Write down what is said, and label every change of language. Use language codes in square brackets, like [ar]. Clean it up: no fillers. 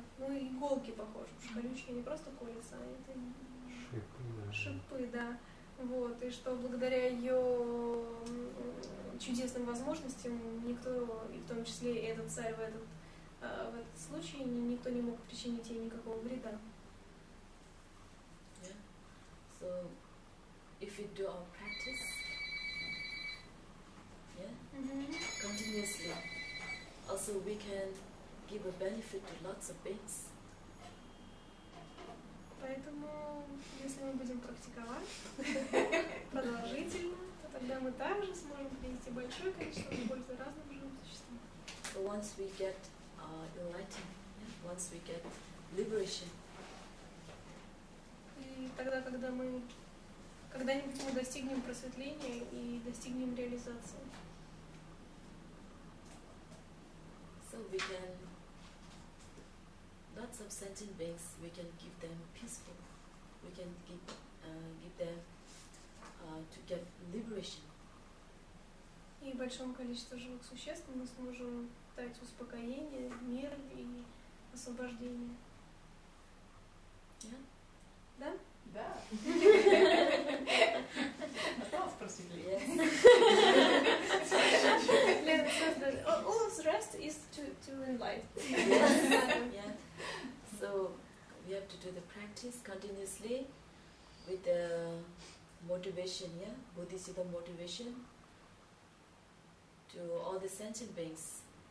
[ru] Ну, иголки, похоже, потому что колючки не просто колются, а это шипы, да. Шипы, да. Вот, и что благодаря ее чудесным возможностям никто, и в том числе и этот царь в этот случай, никто не мог причинить ей никакого вреда. [en] Yeah. So if we do our practice, continuously, also we can give a benefit to lots of beings. [ru] Поэтому, если мы будем практиковать продолжительно, то тогда мы также сможем принести большое количество пользы разным живым существам. [en] So once we get enlightened, yeah? Once we get liberation, [ru] тогда, когда мы когда-нибудь мы достигнем просветления и достигнем реализации. So we can that subsentient beings, we can give them peaceful, we can give them to get liberation. И большому количеству живых существ мы сможем дать успокоение, мир и освобождение. Да? Да. Осталось просветление. [en] All of the rest is to enlighten. So we have to do the practice continuously with the motivation, Bodhisattva motivation to all the sentient beings.